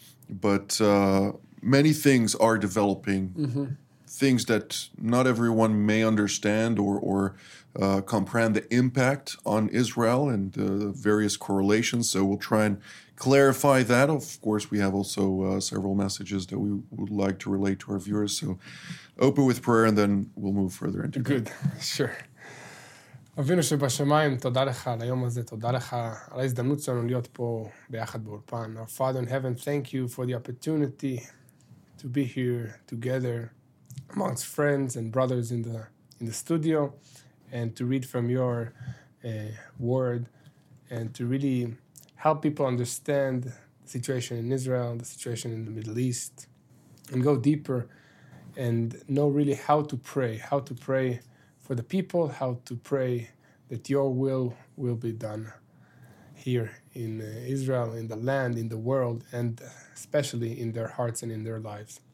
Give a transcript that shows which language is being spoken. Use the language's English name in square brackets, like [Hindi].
[English] But many things are developing, things that not everyone may understand or comprehend the impact on Israel and the various correlations. So we'll try and clarify that. Of course, we have also several messages that we would like to relate to our viewers. So open with prayer, and then we'll move further into it. Good, sure. [Hebrew] אבינו שבשמיים, תודה לך על היום הזה, תודה לך על ההזדמנות שלנו להיות פה ביחד באולפן. [English] Our Father in Heaven, thank you for the opportunity to be here together amongst friends and brothers in the studio and to read from your word and to really help people understand the situation in Israel, the situation in the Middle East, and go deeper and know really how to pray for the people, how to pray that your will be done here in Israel, in the land, in the world, and especially in their hearts and in their lives.